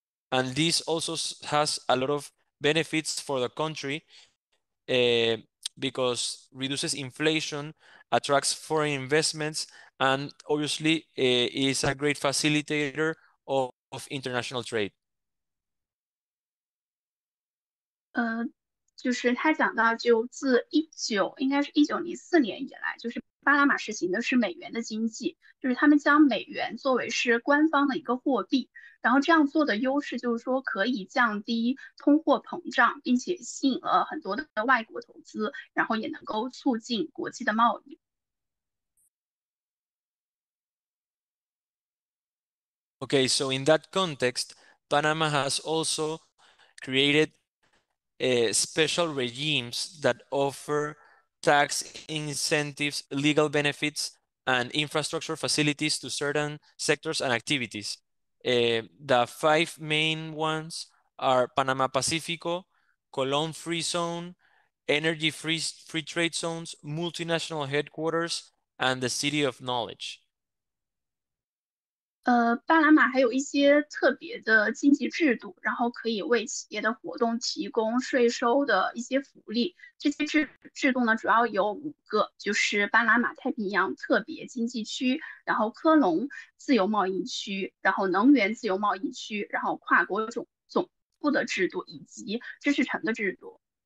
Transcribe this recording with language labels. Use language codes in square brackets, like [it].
[en] And this also has a lot of benefits for the country because reduces inflation, attracts foreign investments, and obviously is a great facilitator of international trade. [zh] 就是他讲到就自1994年以来，就是巴拿马实行的是美元的经济，就是他们将美元作为是官方的一个货币，然后这样做的优势就是说可以降低通货膨胀，并且吸引了很多的外国投资，然后也能够促进国际的贸易。 [en] Okay, so in that context, Panama has also created special regimes that offer tax incentives, legal benefits, and infrastructure facilities to certain sectors and activities. The five main ones are Panama Pacifico, Cologne Free Zone, Energy Free Trade Zones, Multinational Headquarters, and the City of Knowledge. [zh] 巴拿马还有一些特别的经济制度，然后可以为企业的活动提供税收的一些福利。这些制度呢，主要有五个，就是巴拿马太平洋特别经济区，然后科隆自由贸易区，然后能源自由贸易区，然后跨国总部的制度以及知识城的制度。